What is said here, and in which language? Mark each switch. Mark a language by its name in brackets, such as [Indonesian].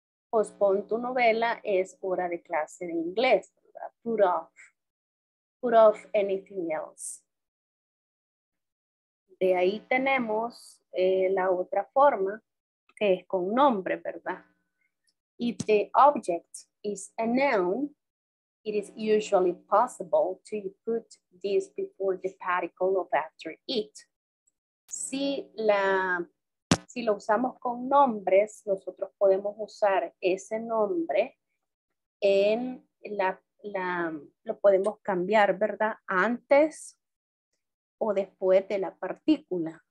[Spanish] Postpone tu novela, es hora de clase de inglés. Put off. [English] Put off anything else. [Spanish] De ahí tenemos la otra forma, que es con nombre, ¿verdad? [English] If the object is a noun, it is usually possible to put this before the particle of after it. [Spanish] Si lo usamos con nombres, nosotros podemos usar ese nombre en lo podemos cambiar, ¿verdad? Antes o después de la partícula.